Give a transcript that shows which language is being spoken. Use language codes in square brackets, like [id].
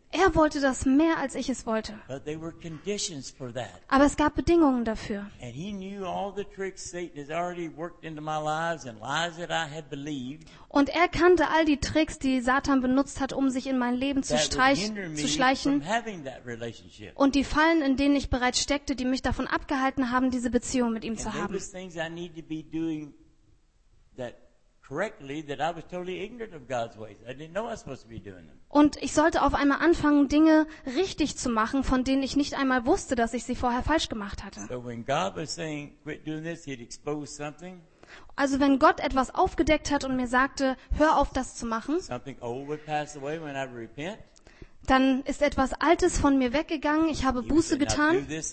[de] Er wollte das mehr, als ich es wollte. [en] But there were conditions for that. [de] Aber es gab Bedingungen dafür. [en] And he knew all the tricks Satan has already worked into my lives and lies that I had believed. [de] Und er kannte all die Tricks, die Satan benutzt hat, um sich in mein Leben zu schleichen [en] from having that relationship. [de] Und die Fallen, in denen ich bereits steckte, die mich davon abgehalten haben, diese Beziehung mit ihm [en] and [de] zu haben. [en] And things I need to be doing that correctly, that I was totally ignorant of God's ways. I didn't know I was supposed to be doing them. [de] Und ich sollte auf einmal anfangen, Dinge richtig zu machen, von denen ich nicht einmal wusste, dass ich sie vorher falsch gemacht hatte. [en] So when God was saying, quit doing this, he'd expose something. [de] Also wenn Gott etwas aufgedeckt hat und mir sagte, hör auf, das zu machen, [en] something old would pass away when I repent. [de] Dann ist etwas Altes von mir weggegangen, ich habe Buße getan.